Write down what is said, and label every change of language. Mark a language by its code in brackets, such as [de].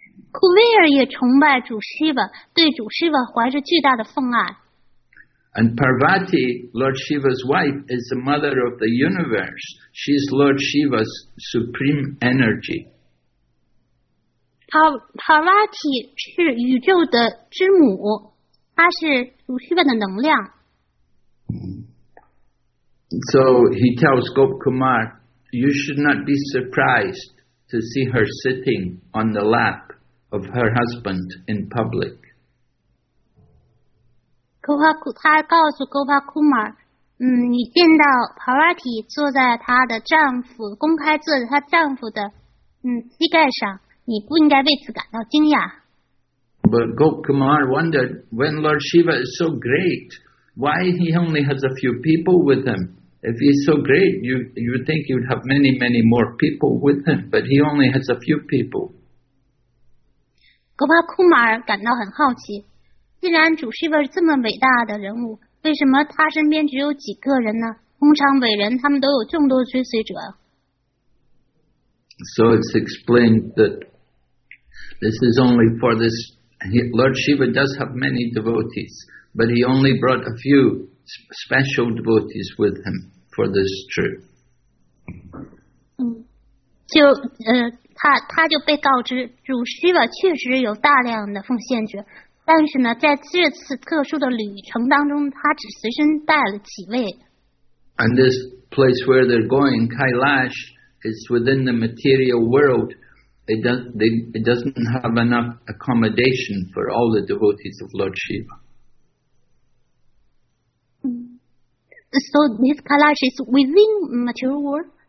[zh] 库维尔也崇拜主希瓦，对主希瓦怀着巨大的奉爱。 [en] And Parvati, Lord Shiva's wife, is the mother of the universe. She is Lord Shiva's supreme energy. [zh] Parvati 是宇宙的之母，她是主希瓦的能量。 [en] So he tells Gop Kumar, "You should not be surprised to see her sitting on the lap of her husband in public." He tells Gopal Kumar, "You see Parvati sitting on her husband's knee. But Gop Kumar wondered, when Lord Shiva is so great, why he only has a few people with him? If he's so great, you would think you'd have many, many more people with him, but he only has a few people. [zh] 格巴库马尔感到很好奇，既然主是个这么伟大的人物，为什么他身边只有几个人呢？通常伟人他们都有众多追随者。 [en] So it's explained that this is only for this. Lord Shiva does have many devotees, but he only brought a few special devotees with him for this trip. 他就被告知主 Shiva 确实有大量的奉献者，但是呢在这次特殊的旅程当中他只随身带了几位。 And this place where they're going, Kailash, is within the material world. it doesn't have enough accommodation for all the devotees of Lord Shiva. So this Kailash is within material world?